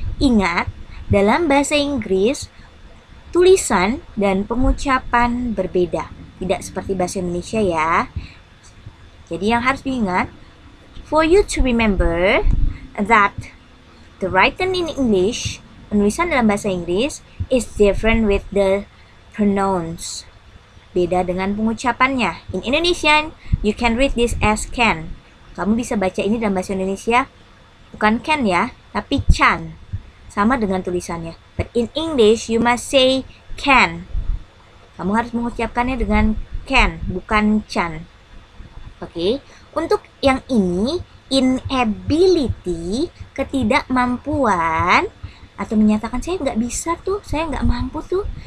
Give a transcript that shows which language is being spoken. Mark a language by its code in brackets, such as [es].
[id] Ingat dalam bahasa Inggris tulisan dan pengucapan berbeda, tidak seperti bahasa Indonesia ya. Jadi yang harus diingat, [en] for you to remember that the writing in English, [id] penulisan dalam bahasa Inggris [en] is different with the pronouns. [id] Beda dengan pengucapannya. [en] In Indonesian, you can read this as can. [id] Kamu bisa baca ini dalam bahasa Indonesia. Bukan can ya, tapi can. Sama dengan tulisannya. [en] But in English, you must say can. [id] Kamu harus mengucapkannya dengan can, bukan can. Okay. Untuk yang ini, inability, ketidakmampuan, atau menyatakan saya nggak bisa tuh, saya nggak mampu tuh.